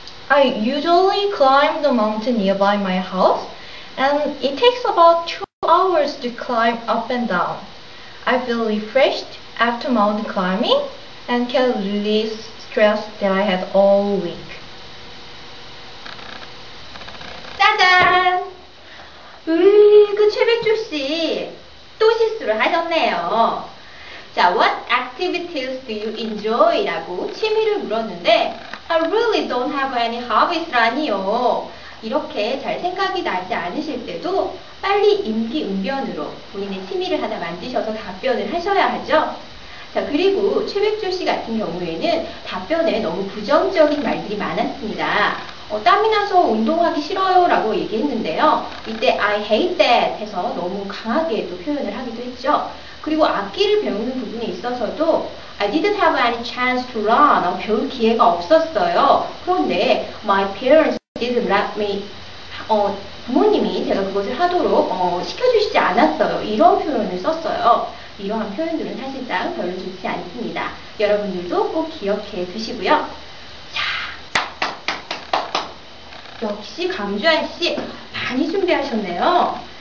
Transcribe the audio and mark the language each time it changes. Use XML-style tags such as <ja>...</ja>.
<en>I usually climb the mountain nearby my house, and it takes about 2 hours to climb up and down. I feel refreshed after mountain climbing and can release stress that I had all week. Ta-da!</en> <ko>그 최백조 씨 또 실수를 하셨네요. 자,</ko> <en>what activities do you enjoy?</en> <ko>라고 취미를 물었는데</ko> <en>I really don't have any hobbies</en> <ko>라니요. 이렇게 잘 생각이 나지 않으실 때도 빨리 임기응변으로 본인의 취미를 하나 만드셔서 답변을 하셔야 하죠. 자, 그리고 최백조 씨 같은 경우에는 답변에 너무 부정적인 말들이 많았습니다. 땀이 나서 운동하기 싫어요 라고 얘기했는데요. 이때</ko> <en>I hate that</en> <ko>해서 너무 강하게 또 표현을 하기도 했죠. 그리고 악기를 배우는 부분에 있어서도</ko> <en>I didn't have any chance to learn.</en> <ko>배울 기회가 없었어요. 그런데</ko> <en>My parents didn't let me.</en> <ko>부모님이 제가 그것을 하도록 시켜주시지 않았어요. 이런 표현을 썼어요. 이러한 표현들은 사실상 별로 좋지 않습니다. 여러분들도 꼭 기억해 두시고요. 역시 감주한 씨 많이 준비하셨네요.</ko>